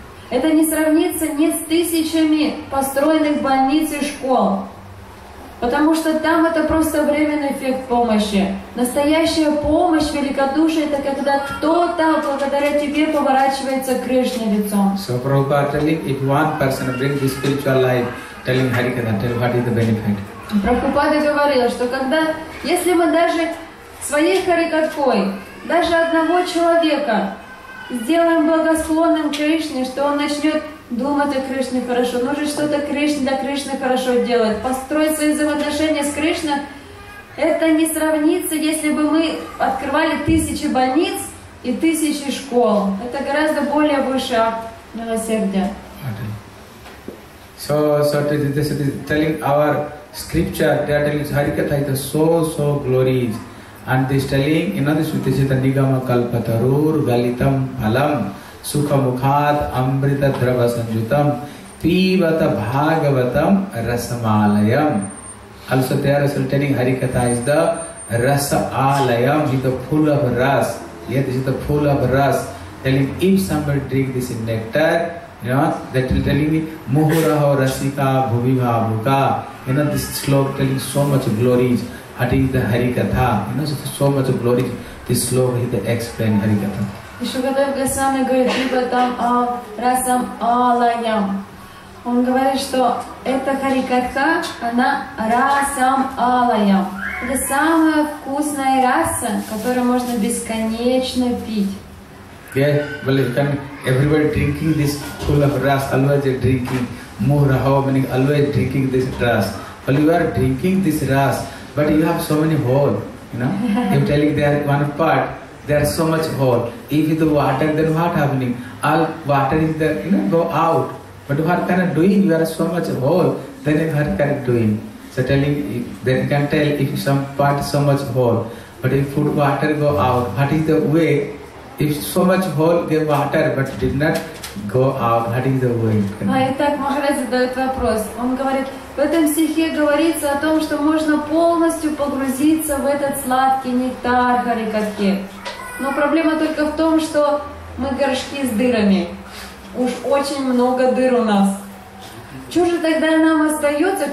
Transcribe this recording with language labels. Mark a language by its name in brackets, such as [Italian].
[Russian] Это не сравнится ни с тысячами построенных больниц и школ, потому что там это просто временный эффект помощи. Настоящая помощь, великодушие – это когда кто-то благодаря тебе поворачивается к Кришне лицом. [English] So, Prabhupada telling, if one person brings his spiritual life, tell him Harikatha, tell what is the benefit. [Russian] Прабхупада говорил, что когда, если мы даже своей харикаткой, даже одного человека сделаем благосклонным Кришне, что он начнет думать о Кришне хорошо, нужно что-то Кришне для Кришны хорошо делать, построить свои взаимоотношения с Кришной, это не сравнится, если бы мы открывали тысячи больниц и тысячи школ. Это гораздо более высший акт милосердия. [English] So this is telling our scripture, they are telling Harikatha is so glorious. [Sanskrit] And this telling, in other Sutta Chita Nigama Kalpatarur Galitam Palam Sukhamukhat Amrita Drava Sanjutam Pivata Bhagavatam Rasamalayam. [English] Also they are also telling Harikatha is the Rasamalayam, is the pool of ras. Yeah, this is the pool of ras. Telling if somebody drink this in nectar, you know, that will tell me, [Sanskrit] Muhuraho Rasika Bhuviva Bhuka. [English] You know, this slok telling so much glories. That is the Harikatha. You know, so much glories. This slok is the explained Harikatha. [Russian] Ишхадев Госвами говорит, [Sanskrit] либо там расам алаям. [Russian] Он говорит, что эта Харикатха, она расам алаям. Это самая вкусная раса, которую можно бесконечно пить. [English] Yes, well, you can, everybody drinking this full of ras, always drinking, muhraho, meaning always drinking this ras. Well, you are drinking this ras, but you have so many holes, you know. I'm telling you, there one part, there are so much holes. If the water, then what happening? All water is there, you know, go out. But what kind of doing? You are so much hole, then what kind of doing? So telling, then you can tell if some part so much hole, but if food, water go out, what is the way? If so much hole gave water but did not go out, that is the way. [Russian] Итак, Махарадж задает вопрос. Он говорит, в этом стихе говорится о том, что можно полностью погрузиться в этот сладкий нектар Харикатхи. Но проблема только в том, что мы горшки с дырами. Уж очень много дыр у нас. Что же тогда нам остается?